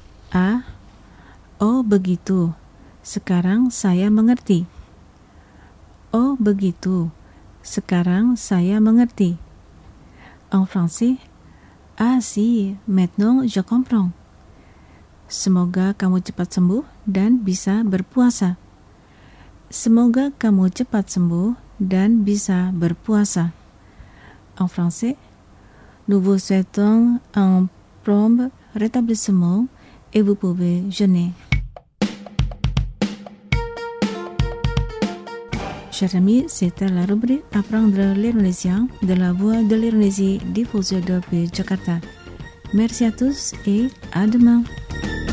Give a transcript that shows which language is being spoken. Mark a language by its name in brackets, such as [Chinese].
[Indonesian] Ah, oh begitu, sekarang saya mengerti. Oh begitu, sekarang saya mengerti. [French] En français, ah si, maintenant je comprends. [Indonesian] Semoga kamu cepat sembuh dan bisa berpuasa. Semoga kamu cepat sembuh dan bisa berpuasa. [French] En français, nous vous souhaitons un prompt rétablissement et vous pouvez jeûner. Chers amis, c'était la rubrique Apprendre l'Indonésien de la Voix de l'Indonésie diffusée depuis Jakarta. Merci à tous et à demain.